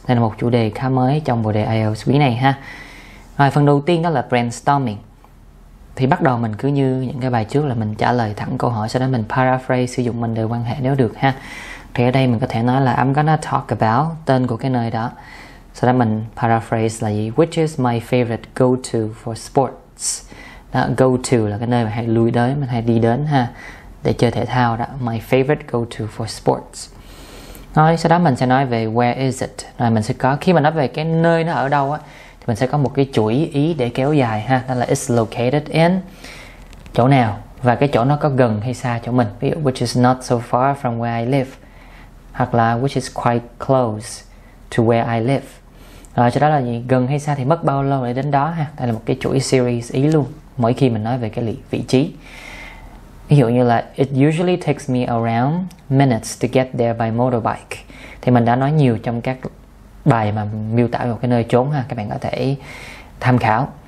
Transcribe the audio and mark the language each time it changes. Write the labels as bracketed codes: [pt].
[vi] Đây là một chủ đề khá mới trong bộ đề IELTS quý này ha. Rồi, phần đầu tiên đó là brainstorming. Thì bắt đầu mình cứ như những cái bài trước là mình trả lời thẳng câu hỏi, sau đó mình paraphrase sử dụng mình đề quan hệ nếu được ha. Thì ở đây mình có thể nói là [en] I'm gonna talk about [vi] tên của cái nơi đó. Sau đó mình paraphrase là gì? [en] Which is my favorite go-to for sports? [vi] Đó, go-to là cái nơi mà hay lui đến, mình hay đi đến ha, để chơi thể thao đó. [en] My favorite go-to for sports. [vi] Rồi, sau đó mình sẽ nói về [en] where is it? [vi] Rồi mình sẽ có, khi mà nói về cái nơi nó ở đâu á, thì mình sẽ có một cái chuỗi ý để kéo dài ha. Đó là [en] it's located in [vi] chỗ nào, và cái chỗ nó có gần hay xa chỗ mình. Ví dụ, [en] which is not so far from where I live, [vi] hoặc là [en] which is quite close to where I live. [vi] Rồi cho đó là gì? Gần hay xa thì mất bao lâu để đến đó ha. Đây là một cái chuỗi series ý luôn, mỗi khi mình nói về cái vị trí. Ví dụ như là [en] it usually takes me around minutes to get there by motorbike. [vi] Thì mình đã nói nhiều trong các bài mà miêu tả một cái nơi trốn ha, các bạn có thể tham khảo.